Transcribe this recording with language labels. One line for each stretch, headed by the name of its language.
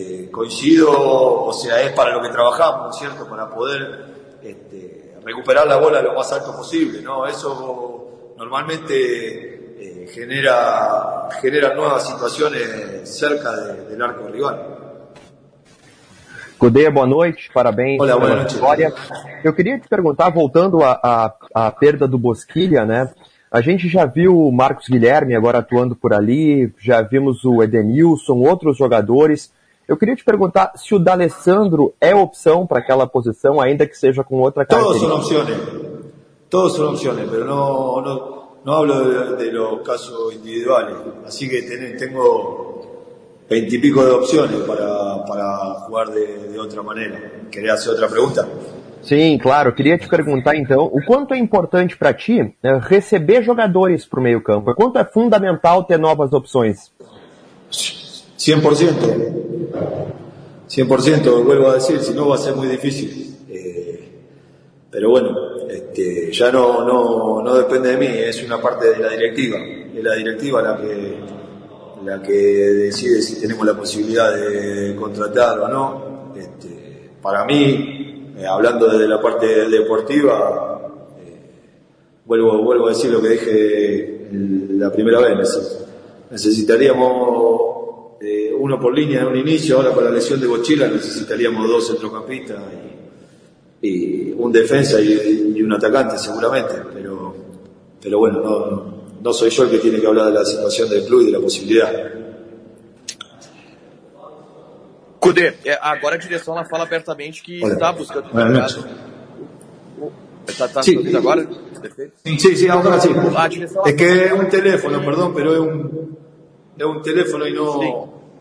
Spanish: coincido, o sea, es para lo que trabajamos, ¿cierto? Para poder recuperar la bola lo más alto posible, ¿no? Eso normalmente genera nuevas situaciones cerca del arco rival.
Portuguese: Cudê, boa noite, parabéns. Olá, boa noite. Vitória. Eu queria te perguntar, voltando à perda do Bosquilha, né? A gente já viu o Marcos Guilherme agora atuando por ali, já vimos o Edenilson, outros jogadores. Eu queria te perguntar se o D'Alessandro é opção para aquela posição, ainda que seja com outra característica. Todos são opções, mas não
Spanish: hablo de los casos individuales. Así que tengo 20 y pico de opções para jugar de
Portuguese: outra maneira. Queria fazer outra pergunta? Sim, claro. Queria te perguntar, então, o quanto é importante para ti receber jogadores para o meio campo? O quanto é fundamental ter novas opções? 100%.
Spanish: 100%, vuelvo a decir, si no va a ser muy difícil. Pero bueno, ya no depende de mí, es una parte de la directiva. Es la directiva la que decide si tenemos la posibilidad de contratar o no. Para mí, hablando desde la parte deportiva, vuelvo a decir lo que dije la primera vez. Necesitaríamos uno por línea en un inicio. Ahora, con la lesión de Bochila, necesitaríamos dos centrocampistas y un defensa y un atacante, seguramente. Pero bueno, no soy yo el que tiene que hablar de la situación del club y de la posibilidad.
Portuguese: Cudê, agora a direção lá fala abertamente que está buscando. Está subindo agora? Sim, agora sim. É que é um
Spanish: teléfono,
Portuguese: perdão, mas é um teléfono e não.